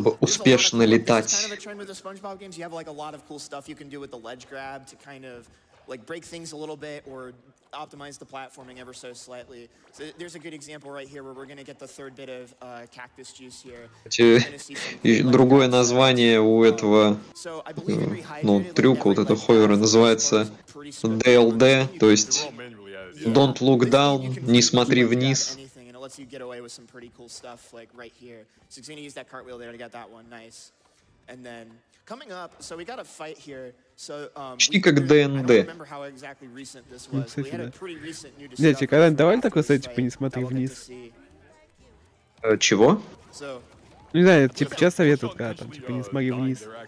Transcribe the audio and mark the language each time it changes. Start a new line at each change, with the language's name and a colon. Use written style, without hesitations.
Russian: успешно летать.
English: This is kind of a trend with the SpongeBob games. You have like a lot of cool stuff you can do with the ledge grab to kind of like break things a little bit or optimize the platforming ever so slightly. So there's a good example right here where we're going to get the third bit of cactus juice here.
Russian: Другое название у этого ну трюка вот этого ховера называется DLD, то есть
English: don't look down,
Russian: не смотри вниз.
English: Lets you get away with some pretty cool stuff like right here. So he's gonna use that cartwheel there to get that one nice. And then coming up, so we got a fight here. So
Russian: Почти как ДНД.
English: I don't remember how exactly recent this was. We had a pretty recent new discovery.
Russian: Дети, когда давай такой сайт, типа не смотри вниз. Чего?
English: So,
Russian: не знаю, типа сейчас советуют, когда там типа не смотри вниз.